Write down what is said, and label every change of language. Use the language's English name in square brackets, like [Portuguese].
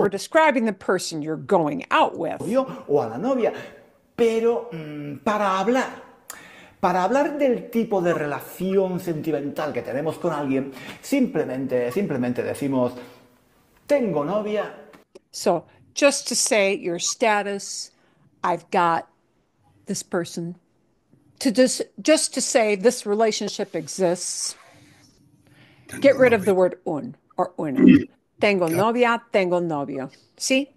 [English] We're describing the person you're going out with. [Spanish] O a la novia. Pero para hablar del tipo de relación sentimental que tenemos con alguien, simplemente decimos, tengo novia. [English] So, just to say your status, I've got this person. Just to say this relationship exists. [Spanish] Tengo [English] get rid [Spanish] novia. [English] Of the word un or una. [Spanish] Tengo yeah. novia, tengo novio. ¿Sí?